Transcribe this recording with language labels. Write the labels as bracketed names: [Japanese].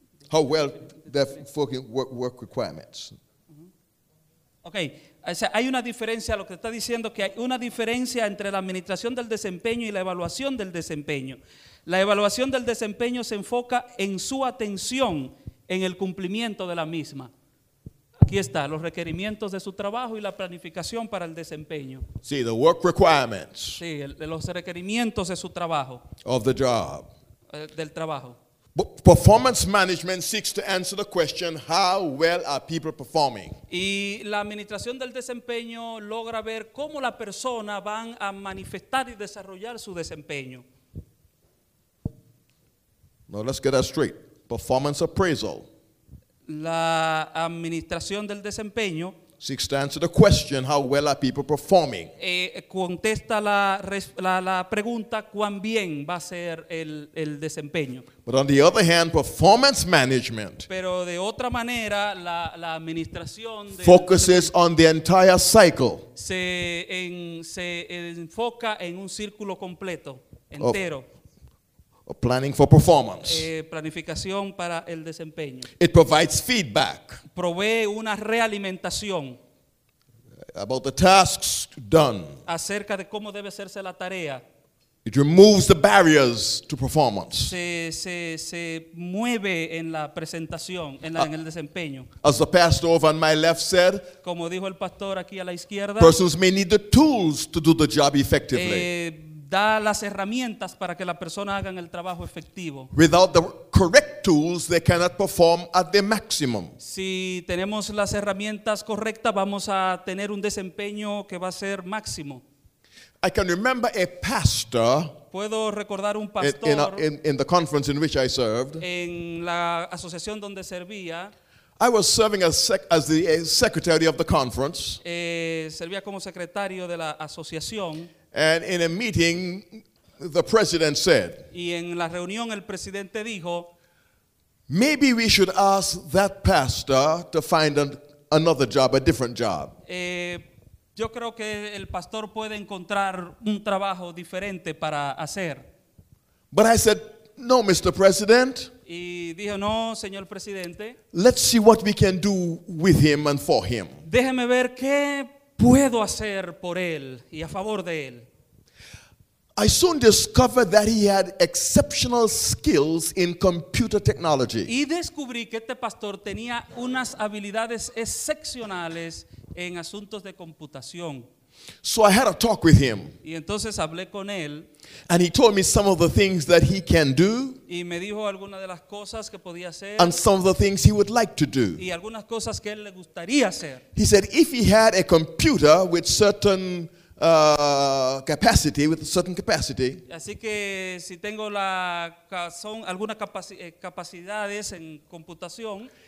[English] how well they're fulfilling work requirements. Okay. [Spanish] O sea, hay una diferencia, lo que está diciendo que hay una diferencia entre la administración del desempeño y la evaluación del desempeño. La evaluación del desempeño se enfoca en su atención en el cumplimiento de la misma. Aquí está, los requerimientos de su trabajo y la planificación para el desempeño. [English] Sí, the work requirements. [Spanish] Sí, los requerimientos de su trabajo. [English] Of the job. [Spanish] Del trabajo. [English] Performance management seeks to answer the question, how well are people performing? [Spanish] Y la administración del desempeño logra ver cómo la persona van a manifestar y desarrollar su desempeño. [English] Now let's get that straight. Performance appraisal. [Spanish] La administración del desempeño [English] seeks to answer the question, how well are people performing? [Spanish] Contesta la pregunta, ¿cuán bien va a ser el desempeño? [English] But on the other hand, performance management [Spanish] pero de otra manera, la administración [English] focuses on the entire cycle [Spanish] se enfoca en un círculo completo, entero. [English] Of planning for performance. [Spanish] Planificación para el desempeño. [English] It provides feedback. [Spanish] Provee una realimentación. [English] About the tasks done. [Spanish] Acerca de cómo debe hacerse la tarea. [English] It removes the barriers to performance. [Spanish] Se mueve en la presentación, en el desempeño. [English] As the pastor over on my left said, [Spanish] como dijo el pastor aquí a la izquierda, [English] persons may need the tools to do the job effectively. [Spanish] Da las herramientas para que la persona haga el trabajo efectivo. [English] Without the correct tools, they cannot perform at the maximum. [Spanish] Si tenemos las herramientas correctas, vamos a tener un desempeño que va a ser máximo. [English] I can remember a pastor. [Spanish] Puedo recordar un pastor. [English] In the conference in which I served. [Spanish] En la asociación donde servía. [English] I was serving as the secretary of the conference. [Spanish] Servía como secretario de la asociación. [English] And in a meeting, the president said, [Spanish] y en la reunión el presidente dijo, [English] maybe we should ask that pastor to find another job, a different job. [Spanish] Yo creo que el pastor puede encontrar un trabajo diferente para hacer. [English] But I said, no, Mr. President. [Spanish] Y dijo, no, señor presidente. [English] Let's see what we can do with him and for him. [Spanish] Déjeme ver qué puedo hacer por él y a favor de él. [English] I soon discovered that he had exceptional skills in computer technology. [Spanish] Y descubrí que este pastor tenía unas habilidades excepcionales en asuntos de computación. [English] So I had a talk with him. [Spanish] Y entonces hablé con él. [English] And he told me some of the things that he can do. [Spanish] Y me dijo algunas de las cosas que podía hacer. [English] And some of the things he would like to do. [Spanish] Y algunas cosas que él le gustaría hacer. [English] He said if he had a computer with certain capacity. [Spanish] Así que si tengo la son algunas capacidades en computación.